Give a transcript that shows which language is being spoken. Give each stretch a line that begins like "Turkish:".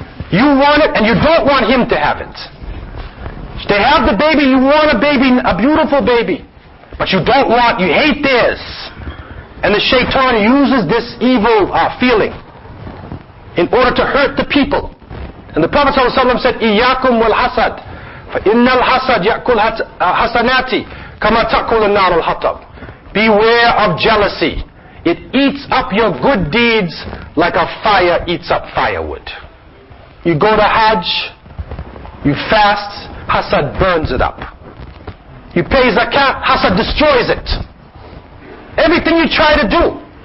English: You want it, and you don't want him to have it. They have the baby, you want a baby, a beautiful baby. But you don't want, you hate theirs. And the shaitan uses this evil feeling in order to hurt the people. And the Prophet ﷺ said,
Arabic: إِيَّاكُمْ وَالْحَسَدْ فَإِنَّ الْحَسَدْ يَأْكُلْ حَسَنَاتِ كَمَا تَأْكُلْ النَّارُ الْحَطَبْ.
English: Beware of jealousy. It eats up your good deeds like a fire eats up firewood. You go to Hajj, you fast, hasad burns it up. You pay zakat, hasad destroys it. Everything you try to do.